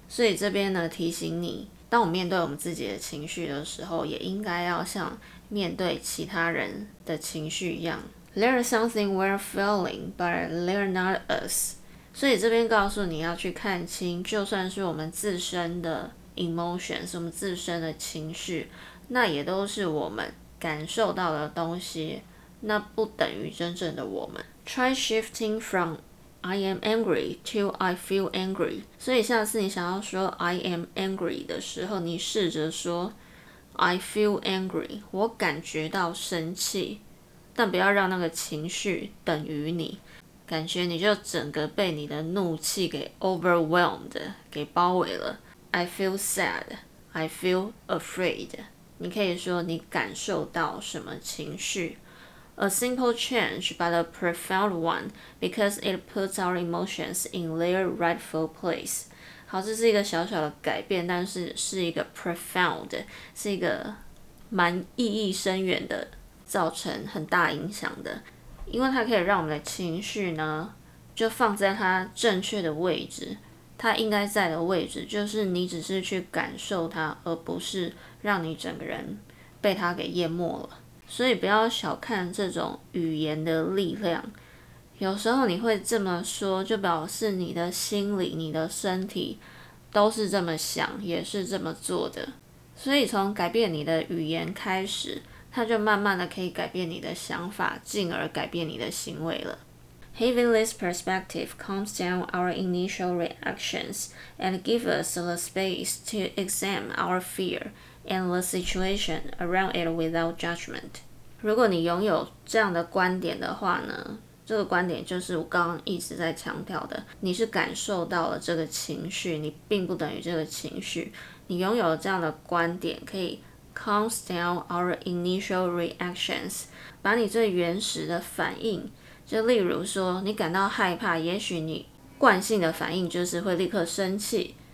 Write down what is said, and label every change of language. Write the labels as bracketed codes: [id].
[zh] 所以这边呢提醒你，当我们面对我们自己的情绪的时候，也应该要像面对其他人的情绪一样。 [en] There is something we're feeling, but they're not us. [zh] 所以这边告诉你要去看清，就算是我们自身的 emotions， 我们自身的情绪，那也都是我们感受到的东西，那不等于真正的我们。 [en] Try shifting from I am angry to I feel angry. [zh] 所以下次你想要说 [en] I am angry [zh] 的时候，你试着说 [en] I feel angry， [zh] 我感觉到生气，但不要让那个情绪等于你，感觉你就整个被你的怒气给 overwhelmed， 给包围了。 [en] I feel sad, I feel afraid， [zh] 你可以说你感受到什么情绪。 [en] A simple change but a profound one because it puts our emotions in their rightful place。 [zh] 好，这是一个小小的改变，但是是一个 profound， 是一个蛮意义深远的，造成很大影响的。因为它可以让我们的情绪呢，就放在它正确的位置，它应该在的位置，就是你只是去感受它，而不是让你整个人被它给淹没了。所以不要小看这种语言的力量。有时候你会这么说，就表示你的心理、你的身体都是这么想，也是这么做的。所以从改变你的语言开始，它就慢慢的可以改变你的想法，进而改变你的行为了。 [en] Having this perspective calms down our initial reactions and gives us the space to examine our fear and the situation around it without judgment. [zh] 如果你拥有这样的观点的话呢，这个观点就是我刚刚一直在强调的，你是感受到了这个情绪，你并不等于这个情绪。你拥有这样的观点可以 [en] calms down our initial reactions， [zh] 把你最原始的反应，就例如说你感到害怕，也许你惯性的反应就是会立刻生气。